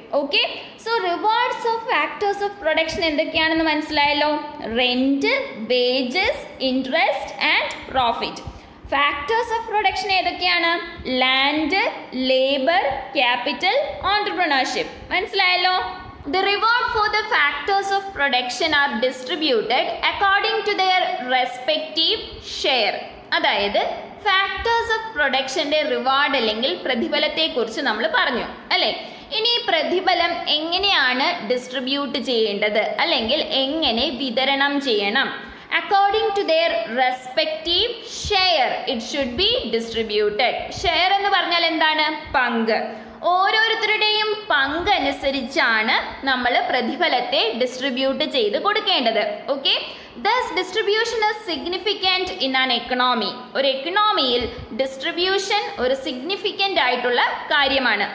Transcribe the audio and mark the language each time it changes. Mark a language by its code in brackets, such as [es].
[en] okay, so rewards of factors of production [ml] എന്തൊക്കെയാണെന്ന് മനസ്സിലായല്ലോ. [en] Rent, wages, interest and profit. Factors of production ഏതൊക്കെയാണ്? Land, labour, capital, entrepreneurship. [ml] മനസ്സിലായല്ലോ. [en] The reward for the factors of production are distributed according to their respective share. [ml] അതായത് factors of production-ന്റെ reward അല്ലെങ്കിൽ പ്രതിഫലത്തെക്കുറിച്ച് നമ്മൾ പറഞ്ഞു അല്ലേ. ഇനി പ്രതിഫലം എങ്ങനെയാണ് ഡിസ്ട്രിബ്യൂട്ട് ചെയ്യേണ്ടത് അല്ലെങ്കിൽ എങ്ങനെ വിതരണം ചെയ്യണം? [en] According to their respective share, it should be distributed. [ml] Share എന്ന് പറഞ്ഞാൽ എന്താണ്? പങ്ക്. ഓരോരുത്തരുടെയും പങ്ക് അനുസരിച്ചാണ് നമ്മൾ പ്രതിഫലത്തെ ഡിസ്ട്രിബ്യൂട്ട് ചെയ്ത് കൊടുക്കേണ്ടത്. [en] Okay, thus distribution is significant in an economy. [ml] ഒരു എക്കണോമിയിൽ ഡിസ്ട്രിബ്യൂഷൻ ഒരു സിഗ്നിഫിക്കൻ്റ് ആയിട്ടുള്ള കാര്യമാണ്.